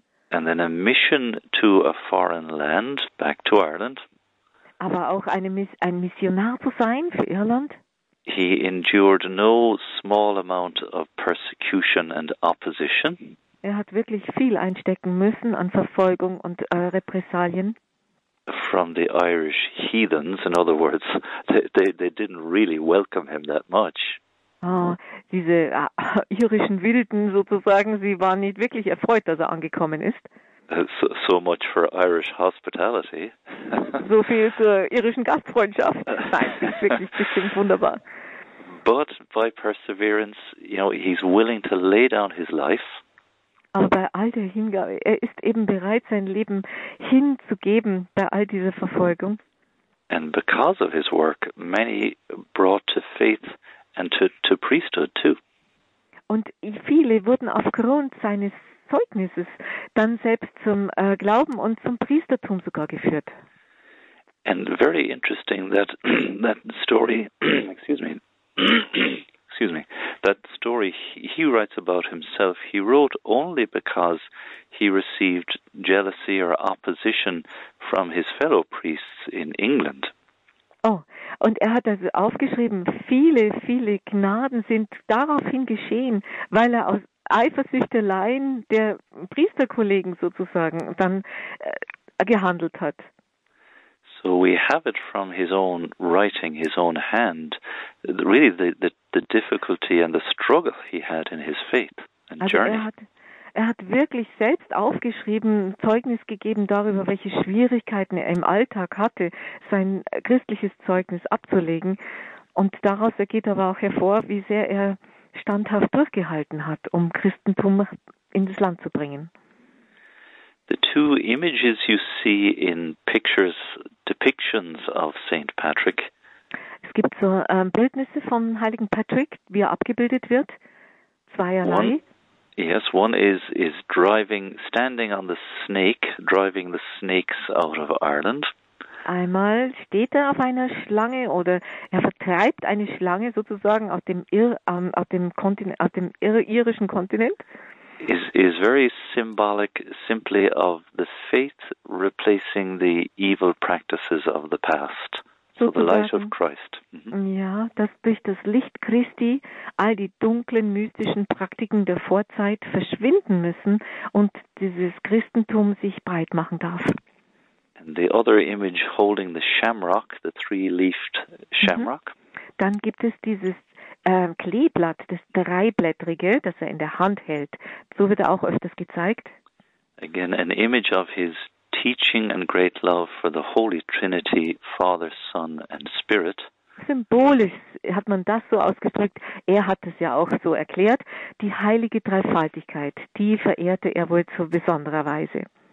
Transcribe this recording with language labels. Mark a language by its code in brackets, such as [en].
[en] And then a mission to a foreign land, back to Ireland. [de] Aber auch ein Missionar zu sein für Irland. [en] He endured no small amount of persecution and opposition. [de] Er hat wirklich viel einstecken müssen an Verfolgung und Repressalien. [en] From the Irish heathens, in other words, they didn't really welcome him that much. [de] Oh, diese irischen Wilden sozusagen, sie waren nicht wirklich erfreut, dass er angekommen ist. [en] So much for Irish hospitality. [de] So viel zur irischen Gastfreundschaft. Nein, das ist wirklich bestimmt wunderbar. [en] But by perseverance, you know, he's willing to lay down his life. [de] Aber bei all der Hingabe, er ist eben bereit, sein Leben hinzugeben bei all dieser Verfolgung. [en] And because of his work, many brought to faith and to priesthood too. [de] Und viele wurden aufgrund seines Zeugnisses dann selbst zum Glauben und zum Priestertum sogar geführt. [en] And very interesting that story he writes about himself, he wrote only because he received jealousy or opposition from his fellow priests in England. [de] Oh, und er hat also aufgeschrieben, viele, viele Gnaden sind daraufhin geschehen, weil er aus Eifersüchteleien der Priesterkollegen sozusagen dann gehandelt hat. [en] So we have it from his own writing, his own hand. Really, the difficulty and the struggle he had in his faith and also journey. [de] Er hat wirklich selbst aufgeschrieben, Zeugnis gegeben darüber, welche Schwierigkeiten er im Alltag hatte, sein christliches Zeugnis abzulegen. Und daraus ergeht aber auch hervor, wie sehr er standhaft durchgehalten hat, um Christentum in das Land zu bringen. [en] The two images you see in pictures, depictions of St. Patrick. [de] Es gibt so Bildnisse von Heiligen Patrick, wie er abgebildet wird, zweierlei. [en] Yes, one is driving, standing on the snake, driving the snakes out of Ireland. [de] Einmal steht er auf einer Schlange oder er vertreibt eine Schlange sozusagen aus dem irischen Kontinent. [en] Is very symbolic, simply of the faith replacing the evil practices of the past. So the light of Christ. [de] Ja, dass durch das Licht Christi all die dunklen mystischen Praktiken der Vorzeit verschwinden müssen und dieses Christentum sich breit machen darf. [en] And the other image holding the shamrock, the three-leafed shamrock. [de] Dann gibt es dieses Kleeblatt, das dreiblättrige, das er in der Hand hält. So wird er auch öfters gezeigt. [en] Again, an image of his teaching and great love for the Holy Trinity, Father, Son and Spirit. [de] Symbolisch hat man das so ausgedrückt. Er hat es ja auch so erklärt. Die heilige Dreifaltigkeit, die verehrte er wohl zu besonderer Weise.